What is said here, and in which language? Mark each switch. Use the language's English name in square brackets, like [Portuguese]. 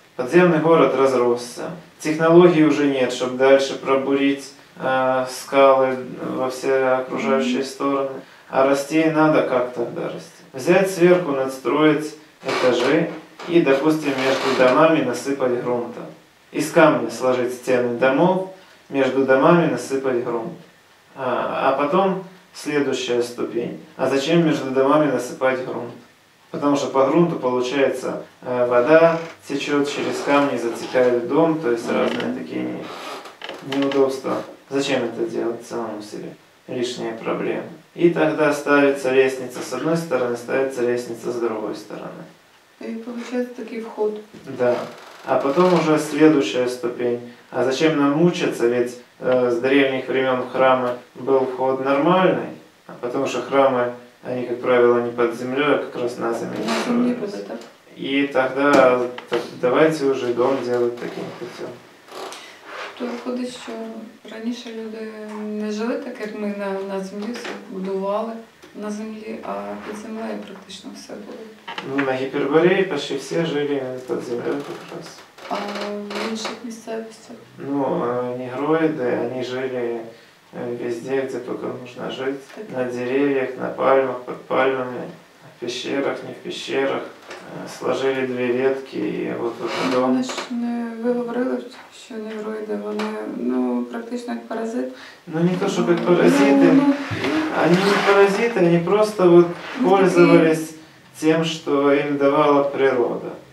[Ukrainian] Підземний город розросся. Технологій вже немає, щоб далі пробурити скали во всі окружаючі сторони. А рости треба як тоді рости? Взяти зверху, надстроїти етажі і, допустимо, між домами насипати ґрунту. Із камня сложити стіни домів, між домами насипати ґрунт. [Russian] А потім следующая ступень. А зачем между домами насыпать грунт? Потому что по грунту получается вода течет через камни, затекает в дом, то есть разные такие неудобства. Зачем это делать в самом себе? Лишние проблемы. И тогда ставится лестница с одной стороны, ставится лестница с другой стороны. И получается такой вход. Да. А потом уже следующая ступень. А зачем нам мучаться, ведь с древних времен храма был вход нормальный, потому что храмы, они, как правило, не под землей, а как раз на земле. На земле будет, так? И тогда давайте уже дом делать таким путем. То выходит, что раньше люди не жили так, как мы на земле, все будували на земле, а под землей практически все было. Ну, на Гипербореи почти все жили под землей как раз. [Ukrainian] А в інших місцевостях? Ну, негроїди, вони жили везде, де тільки можна жити. Так. [Russian] На деревьях, на пальмах, [Ukrainian] під пальмами, [Russian] в пещерах, не в пещерах. [Ukrainian] Сложили дві ветки і от вот дом. Ви говорили, що негроїди, вони ну, практично як паразит. Ну, не то, щоб як паразити. Вони не паразити, вони просто вот пользовались тим, що їм давала природа.